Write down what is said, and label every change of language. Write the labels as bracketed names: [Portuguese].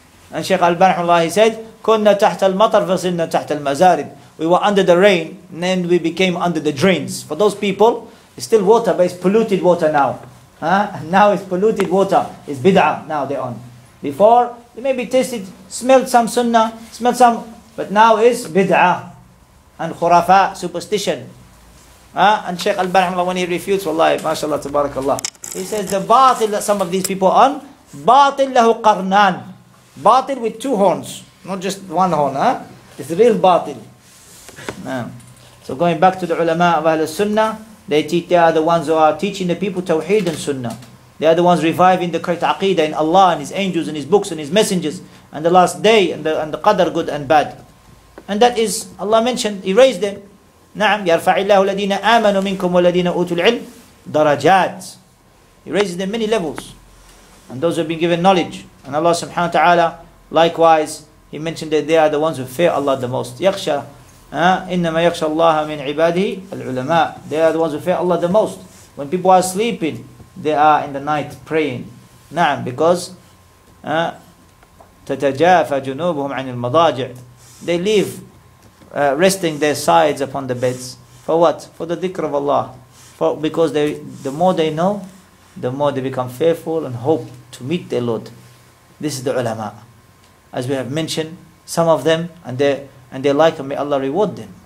[English] And Shaykh Al-Bani, he said, [Arabic] كُنَّا تَحْتَ الْمَطَرْ فَصِلْنَا تَحْتَ الْمَزَارِبِ. [English] We were under the rain, and then we became under the drains. For those people, it's still water, but it's polluted water now. Now it's polluted water. It's bid'ah now they're on. Before, they maybe tasted, smelled some sunnah, smelled some, but now it's bid'ah and khurafa, superstition. And Shaykh Al-Bani, when he refutes, wallahi, mashallah, tabarakallah, he says, the batil that some of these people are on, [Arabic] batil lahu qarnan, [English] batil with two horns, not just one horn, it's real batil. So going back to the ulama of Ahl al-Sunnah, they are the ones who are teaching the people Tawheed and Sunnah. They are the ones reviving the correct Aqeedah in Allah and His angels and His books and His messengers and the last day and the Qadr, good and bad. And that is, Allah mentioned, He raised them. [Arabic] نعم يرفع الله الذين آمنوا منكم والذين أوتوا العلم درجات. [English] He raises them many levels. And those who have been given knowledge. And Allah subhanahu wa ta'ala, likewise, He mentioned that they are the ones who fear Allah the most. [Arabic] يخشى إنما يخشى الله من عباده العلماء. [English] They are the ones who fear Allah the most. When people are sleeping, they are in the night praying. [Arabic] نعم, because تتجافى جنوبهم عن المضاجع. [English] They leave resting their sides upon the beds. For what? For the dhikr of Allah. Because the more they know, the more they become fearful and hope to meet their Lord. This is the ulama. As we have mentioned, some of them and their like, may Allah reward them.